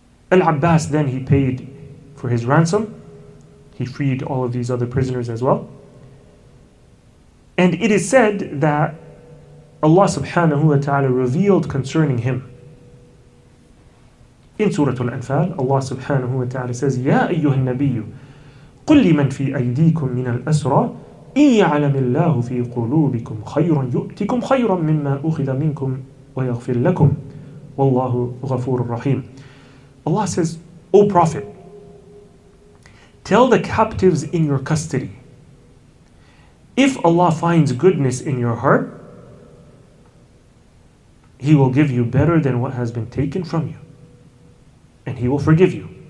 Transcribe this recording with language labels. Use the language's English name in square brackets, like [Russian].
[English] Al-Abbas then he paid for his ransom. He freed all of these other prisoners as well. And it is said that Allah subhanahu wa ta'ala revealed concerning him. In Surah Al-Anfal, Allah subhanahu wa ta'ala says, Ya [Arabic] أَيُّهَا النَّبِيُّ قُلْ لِمَنْ فِي أَيْدِيكُمْ مِنَ الْأَسْرَى إِنْ يَعْلَمِ اللَّهُ فِي قُلُوبِكُمْ خَيْرًا يُؤْتِكُمْ خَيْرًا مِمَّا أُخِذَ مِنْكُمْ وَيَغْفِرْ لَكُمْ وَاللَّهُ غَفُورٌ رَحِيمٌ. [English] Allah says, O Prophet, tell the captives in your custody, if Allah finds goodness in your heart, He will give you better than what has been taken from you, and He will forgive you.